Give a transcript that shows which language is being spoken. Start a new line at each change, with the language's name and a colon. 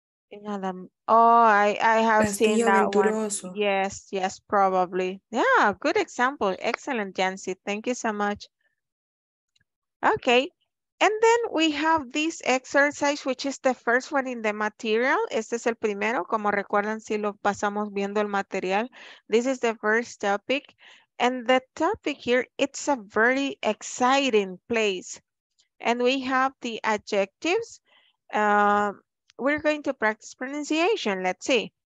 English: In Alam I have Castillo seen that Venturoso. One. Yes, yes, probably. Yeah, good example. Excellent, Yancy. Thank you so much. Okay, and then we have this exercise, which is the first one in the material.
Spanish: Este es el primero, como recuerdan si lo pasamos viendo el material.
English: This is the first topic. And the topic here, it's a very exciting place. And we have the adjectives. We're going to practice pronunciation. Let's see.